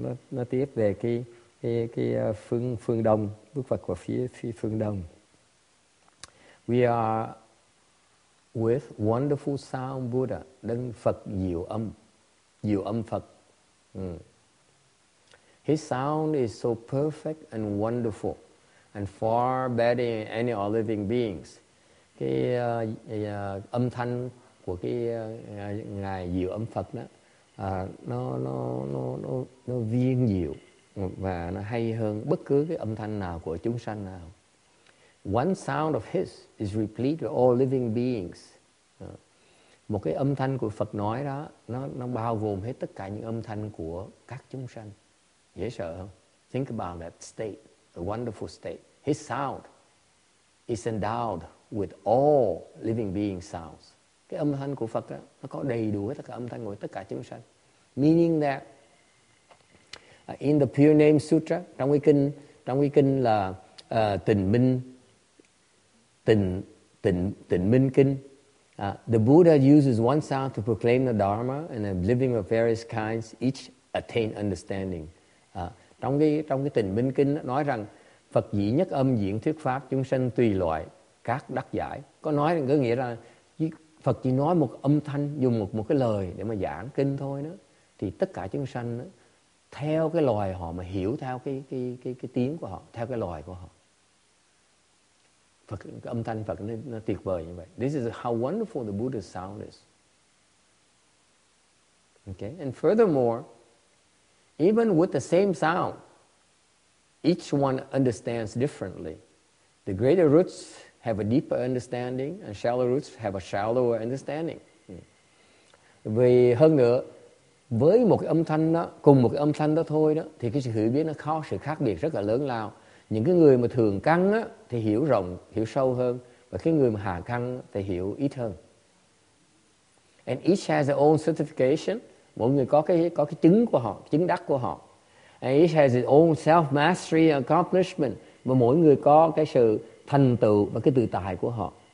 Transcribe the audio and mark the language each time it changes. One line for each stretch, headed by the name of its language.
Vietnamese: Nó tiếp về cái phương Đông, Đức Phật của phía phương Đông.
English: We are with Wonderful Sound Buddha,
Vietnamese: Đấng Phật diệu âm Phật.
English: His sound is so perfect and wonderful and far better than any other living beings.
Vietnamese: Cái âm thanh của cái ngài diệu âm Phật đó nó viên diệu và nó hay hơn bất cứ cái âm thanh nào của chúng sanh nào.
English: One sound of his is replete with all living beings.
Vietnamese: Một cái âm thanh của Phật nói đó nó bao gồm hết tất cả những âm thanh của các chúng sanh. Dễ sợ không?
English: Think about that state, a wonderful state. His sound is endowed with all living being sounds.
Vietnamese: Cái âm thanh của Phật đó, nó có đầy đủ hết tất cả âm thanh của tất cả chúng sanh.
English: Meaning that in the Pure Name Sutra,
Vietnamese: trong cái kinh là Tịnh Minh Kinh.
English: The Buddha uses one sound to proclaim the Dharma and a living of various kinds, each attain understanding.
Vietnamese: Trong cái Tịnh Minh Kinh nói rằng Phật dĩ nhất âm diễn thuyết pháp, chúng sanh tùy loại, các đắc giải. Có nói có nghĩa là Phật chỉ nói một âm thanh, dùng một cái lời để mà giảng kinh thôi đó. Thì tất cả chúng sanh đó, theo cái loài họ mà hiểu theo cái tiếng của họ, theo cái loài của họ. Phật, cái âm thanh Phật nó tuyệt vời như vậy.
English: This is how wonderful the Buddha's sound is. Okay. And furthermore, even with the same sound, each one understands differently. The greater roots have a deeper understanding and shallow roots have a shallower understanding.
Vietnamese: Vì hơn nữa, với một cái âm thanh đó, cùng một cái âm thanh đó thôi đó, thì cái sự hiểu biết nó có sự khác biệt rất là lớn lao. Những cái người mà thường căn á thì hiểu rộng, hiểu sâu hơn, và cái người mà hà căn thì hiểu ít hơn.
English: And each has their own certification.
Vietnamese: Mỗi người có cái chứng của họ, chứng đắc của họ.
English: And each has its own self-mastery and accomplishment.
Vietnamese: Mà mỗi người có cái sự thành tựu và cái tự tại của họ.